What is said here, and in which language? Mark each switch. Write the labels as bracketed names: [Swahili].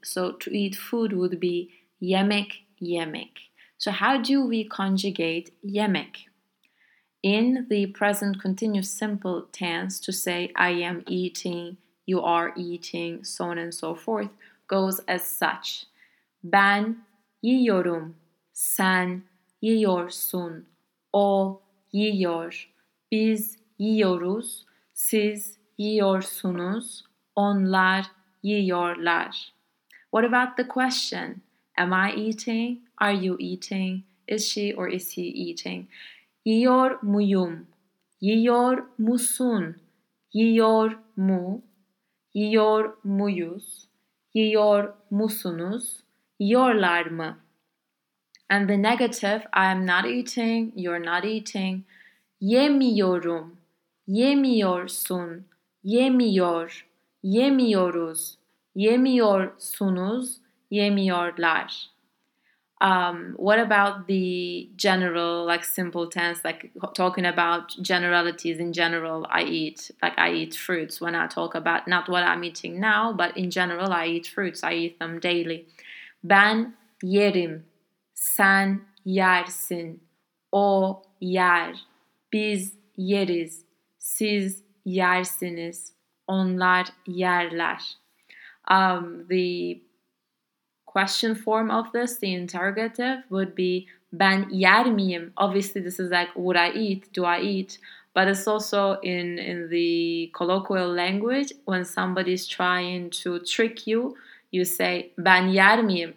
[English] So to eat food would be yemek, yemek. So how do we conjugate yemek? In the present continuous simple tense, to say I am eating, you are eating, so on and so forth, goes as such. [Turkish] Ben yiyorum, sen yiyorsun, o yiyor, biz yiyoruz, siz yiyorsunuz, onlar yiyorlar. [English] What about the question? Am I eating? Are you eating? Is she or is he eating? [Turkish] Yiyor muyum? Yiyor musun? Yiyor mu? Yiyor muyuz? Yiyor musunuz? Yiyorlar mı? [English] And the negative, I am not eating, you're not eating. [Turkish] Yemiyorum. Yemiyorsun. Yemiyor. Yemiyoruz. Yemiyorsunuz. Yemiyorlar. [English] What about the general, like simple tense, like talking about generalities in general? I eat fruits when I talk about not what I'm eating now, but in general, I eat fruits. I eat them daily. [Turkish] Ben yerim, sen yersin, o yer, biz yeriz, siz yersiniz, onlar yerler. [English] The question form of this, the interrogative, would be [Turkish] ben yer miyim? [English] Obviously, this is like, would I eat? Do I eat? But it's also in the colloquial language, when somebody's trying to trick you, you say [Turkish] ben yer miyim?